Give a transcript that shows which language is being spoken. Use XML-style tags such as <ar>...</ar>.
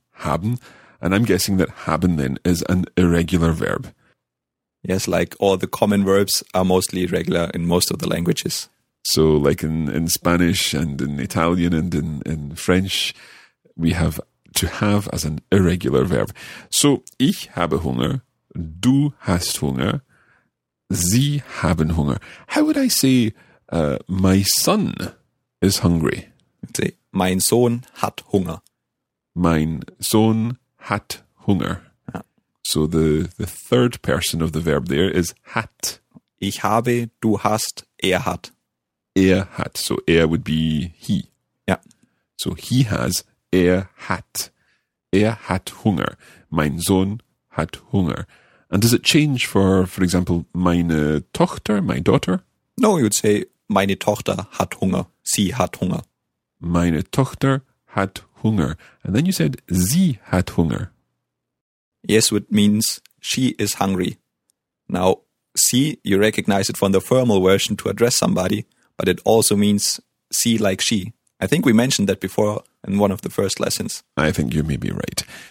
<en>Haben. And I'm guessing that haben then is an irregular verb. Yes, like all the common verbs are mostly irregular in most of the languages. So like in Spanish and in Italian and in French, we have to have as an irregular verb.</en> <de>So, ich habe Hunger, du hast Hunger, sie haben Hunger.</de> <en>How would I say my son is hungry?</en> <de>Say, mein Sohn hat Hunger. Mein Sohn hat Hunger. Yeah.</de> <en>So the third person of the verb there is hat.</en> <de>Ich habe, du hast, hat.</de> <en>Hat. So would be he. Yeah. So he has, hat.</en> <de>Hat Hunger. Mein Sohn hat Hunger.</de> <en>And does it change for example,</en> <de>meine Tochter,</de> <en>my daughter? No, you would say,</en> <de>meine Tochter hat Hunger. Sie hat Hunger. Meine Tochter hat Hunger.</de> <en>And then you said,</en> <de>sie hat Hunger.</de> <en>Yes, which means she is hungry. Now, sie, you recognize it from the formal version to address somebody, but it also means sie like she. I think we mentioned that before in one of the first lessons. I think you may be right.</en>